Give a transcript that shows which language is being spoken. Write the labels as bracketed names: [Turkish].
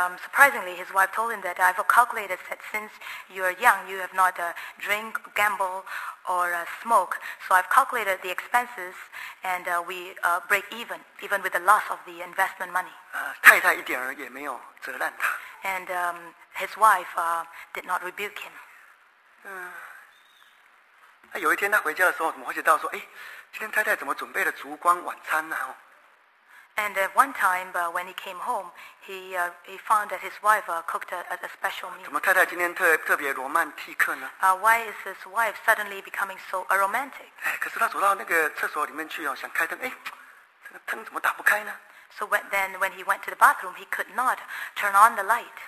[English] surprisingly, his wife told him that I've calculated that since you are young, you have not drink, gamble, or smoke. So I've calculated the expenses. And we break even with the loss of the investment money. [Chinese] 太太一点儿也没有责难他。 [English] And his wife did not rebuke him. [Chinese] 有一天他回家的时候，怎么会知道说，哎，今天太太怎么准备了烛光晚餐呢？ [English] And one time when he came home, he found that his wife cooked a special meal. [Chinese] 怎么太太今天特别罗曼蒂克呢？ [English] Why is his wife suddenly becoming so romantic? [Chinese] 可是他走到那个厕所里面去哦，想开灯，哎，这个灯怎么打不开呢？ [English] So when he went to the bathroom, he could not turn on the light.